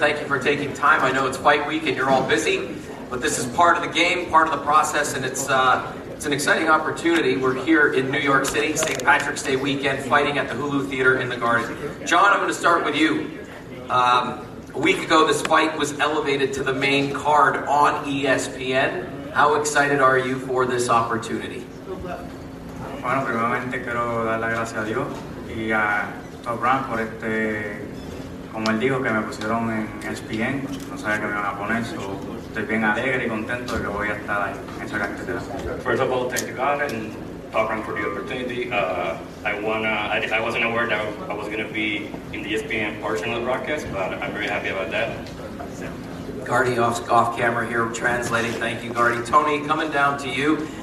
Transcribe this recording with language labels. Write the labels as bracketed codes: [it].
[en] Thank you for taking time. I know it's fight week and you're all busy, but this is part of the game, part of the process, and it's an exciting opportunity. We're here in New York City, St. Patrick's Day weekend, fighting at the Hulu Theater in the Garden. John, I'm going to start with you. A week ago, this fight was elevated to the main card on ESPN. How excited are you for this opportunity? [es] Bueno, primeramente quiero dar las gracias a Dios y a Top Rank por este, como él dijo, que me pusieron en ESPN. No sabía que me iban a poner, so estoy bien alegre y contento de que voy a estar ahí en esa cartelera. [en] First of all, thank you, God, and Top Rank for the opportunity. I wasn't aware that I was going to be in the ESPN portion of the broadcast, but I'm very happy about that. Gardy off camera here translating. Thank you, Gardy. Tony, coming down to you.